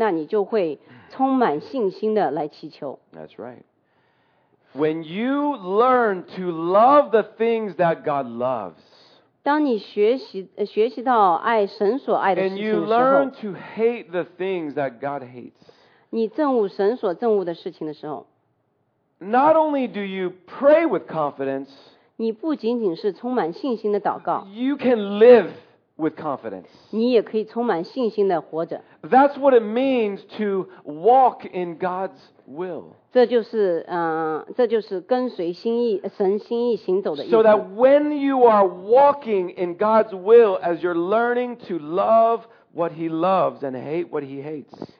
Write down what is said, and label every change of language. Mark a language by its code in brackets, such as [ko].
[zh] 当你在问神的事，请求神的时候，你知道这是对神来说是一件神会喜悦的，那你就会充满信心的来祈求。 [en] That's right. When you learn to love the things that God loves, [zh] 当你学习到爱神所爱的事情的时候， [en] and you learn to hate the things that God hates, [zh] 你憎恶神所憎恶的事情的时候， [en] not only do you pray with confidence, [zh] 你不仅仅是充满信心的祷告， [en] you can live with confidence. [zh] 你也可以充满信心的活着。 [en] That's what it means to walk in God's will. [zh] 这就是跟随神心意行走的意思。 [en] So that when you are walking in God's will, as you're learning to love what He loves and hate what He hates,